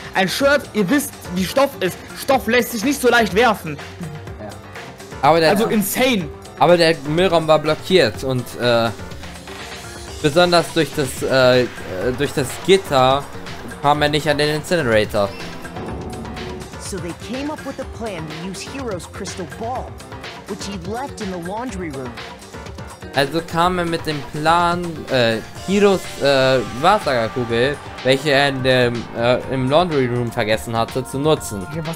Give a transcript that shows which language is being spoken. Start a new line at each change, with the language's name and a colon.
German: Ein Shirt, ihr wisst, wie Stoff ist. Stoff lässt sich nicht so leicht werfen. Ja. Aber der, also insane. Aber der Müllraum war blockiert. Und besonders durch das Gitter kam er nicht an den Incinerator.
English: So they came up with a plan to use Hero's crystal ball, which he'd left in the laundry room.
German: Also kam er mit dem Plan, Hiros Wahrsagerkugel, welche er in dem, im Laundry Room vergessen hatte, zu nutzen.